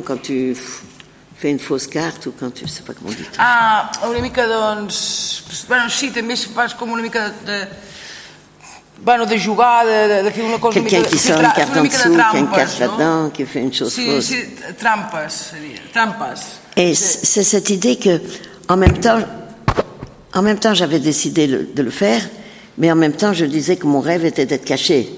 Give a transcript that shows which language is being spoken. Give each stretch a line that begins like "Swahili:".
French: quand tu fais une fausse carte ou quand tu ne sais pas comment dire.
Catalan: Ah, una mica, doncs... Bueno, sí, també se passa com una mica de... Bueno, de jugar, de fer una cosa...
French: Quelqu'un qui sort une carte en dessous, qui a une carte là-dedans, qui fait une chose fausse.
Catalan: Sí, trampes, seria. Trampes.
French: Et c'est cette idée que, en même temps, j'avais décidé de le faire, mais en même temps, je disais que mon rêve était d'être caché.